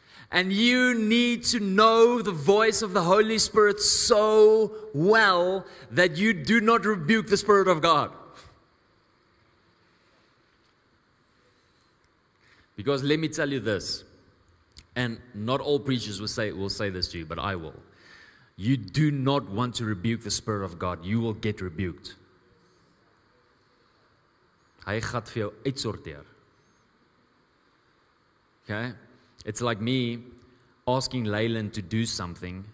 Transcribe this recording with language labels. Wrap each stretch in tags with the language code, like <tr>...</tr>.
<en>And you need to know the voice of the Holy Spirit so well that you do not rebuke the Spirit of God. Because let me tell you this, and not all preachers will say this to you, but I will. You do not want to rebuke the Spirit of God. You will get rebuked.</en> <af>Hy gaat vir jou uitsorteer.</af> <en>Okay? It's like me asking Leyland to do something.</en>